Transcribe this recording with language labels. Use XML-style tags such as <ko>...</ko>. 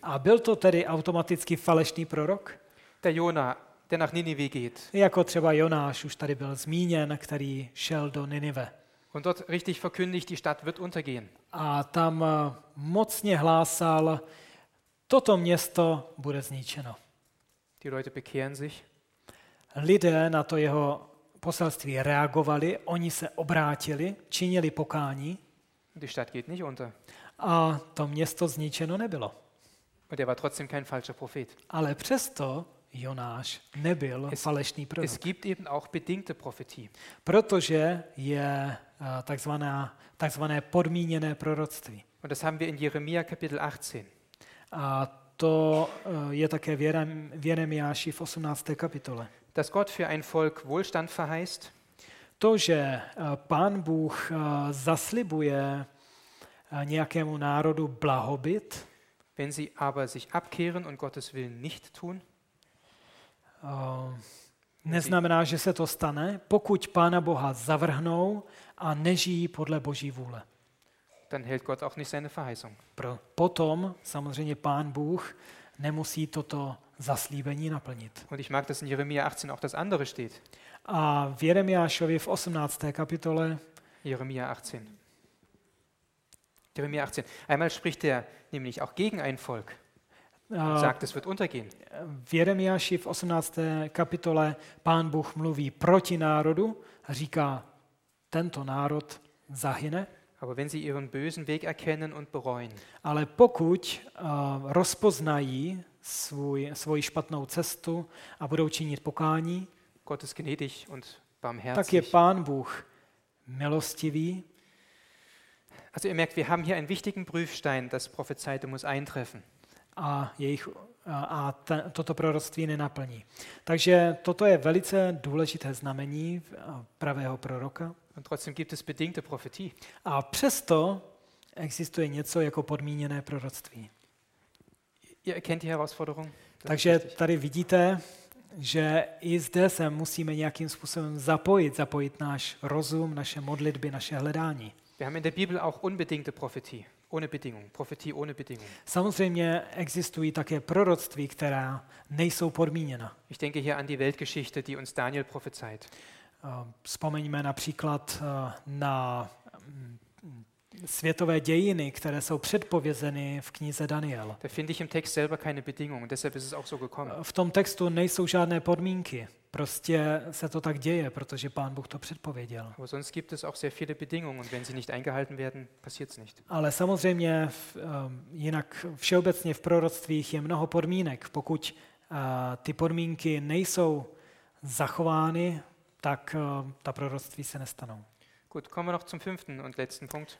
<cs>A byl to tedy automaticky falešný prorok?</cs> <de>Der Jona, der nach Ninive geht.</de> <cs>Jako třeba Jonáš, už tady byl zmíněn, který šel do Ninive.</cs> <de>Und dort richtig verkündigt, die Stadt wird untergehen.</de> <cs>A tam mocně hlásal, toto město bude zničeno.</cs> <de>Die Leute bekehren sich.</de> <cs>Lidé na to jeho poselství reagovali, oni se obrátili, činili pokání.</cs> <de>Die Stadt geht nicht unter.</de> <cs>A to město zničeno nebylo.</cs> <de>Und er war trotzdem kein falscher Prophet.</de> <cs>Ale přesto Jonáš nebyl falešný prorok.</cs> <de>Es gibt eben auch bedingte Prophetie.</de> <cs>Protože je takzvané podmíněné proroctví.</cs> <de>Und das haben wir in Jeremia Kapitel 18.</de> <cs>A to je také v Jeremiáši v 18. kapitole.</cs> <de>Dass Gott für ein Volk Wohlstand verheißt.</de> <cs>To, že Pán Bůh zaslibuje nějakému národu blahobyt,</cs> <de>wenn sie aber sich abkehren und Gottes Willen nicht tun,</de> <cs>neznamená, že se to stane, pokud Pána Boha zavrhnou a nežijí podle Boží vůle.</cs> <de>Dann hält Gott auch nicht seine Verheißung.</de> <cs>Potom samozřejmě Pán Bůh nemusí toto zaslíbení naplnit.</cs> <de>Und ich mag, dass in Jeremia 18 auch das andere steht.</de> <cs>A v Jeremiášově v 18. kapitole</cs> <de>Jeremia 18. Einmal spricht er nämlich auch gegen ein Volk. Sagt, es wird untergehen.</de> <cs>V Jeremiáši v 18. kapitole Pán Bůh mluví proti národu, říká, tento národ zahyne.</cs> <de>Aber wenn sie ihren bösen Weg erkennen und bereuen.</de> <cs>Ale pokud rozpoznají svoji špatnou cestu a budou činit pokání,</cs> <de>Gott ist gnädig und barmherzig.</de> <cs>Tak je Pán Bůh milostivý.</cs> <de>Also ihr merkt, wir haben hier einen wichtigen Prüfstein, das Prophezeite muss eintreffen.</de> <cs>A jejich a toto proroctví nenaplní. Takže toto je velice důležité znamení pravého proroka.</cs> <de>Und trotzdem gibt es bedingte Prophetie.</de> <cs>A přesto existuje něco jako podmíněné proroctví.</cs> <de>Ihr erkennt die Herausforderung.</de> <cs>Takže tady vidíte, že i zde se musíme nějakým způsobem zapojit náš rozum, naše modlitby, naše hledání.</cs> <de>Wir haben in der Bibel auch unbedingte Prophetie, ohne Bedingung, Prophetie ohne Bedingung.</de> <cs>Samozřejmě existují také proroctví, která nejsou podmíněna.</cs> <de>Ich denke hier an die Weltgeschichte, die uns Daniel prophezeit.</de> <cs>Vzpomeňme například na světové dějiny, které jsou předpovězeny v knize Daniel.</cs> <de>Da finde ich im Text selber keine Bedingung, deshalb ist es auch so gekommen.</de> <cs>V tom textu nejsou žádné podmínky. Prostě se to tak děje, protože Pán Bůh to předpověděl.</cs> <de>Aber sonst gibt es auch sehr viele Bedingungen und wenn sie nicht eingehalten werden, passiert's nicht.</de> <cs>Ale samozřejmě jinak všeobecně v proroctvích je mnoho podmínek. Pokud ty podmínky nejsou zachovány, tak ta proroctví se nestanou.</cs> <de>Gut, kommen wir noch zum fünften und letzten Punkt.</de>